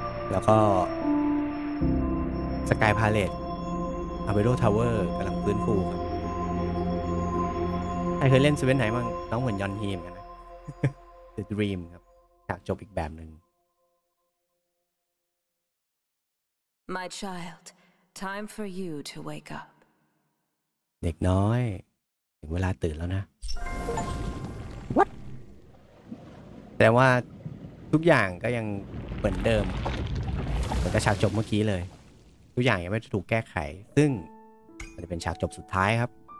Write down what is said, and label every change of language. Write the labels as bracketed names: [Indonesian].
[Thai] แล้วก็สกายพาเลตอาเบโรทาวเวอร์กำลังฟื้นฟูครับใครเคยเล่นเซเว่นไหนบ้างน้องเหมือนยอนฮีมกันนะ The Dream ครับฉากจบอีกแบบนึง [English] My child time for you to wake up [Thai] เด็กน้อยถึงเวลาตื่นแล้วนะแต่ว่าทุกอย่างก็ยังเหมือนเดิมเหมือนกับฉากจบเมื่อกี้เลยทุกอย่างยังไม่ถูกแก้ไขซึ่งมันจะเป็นฉากจบสุดท้ายครับ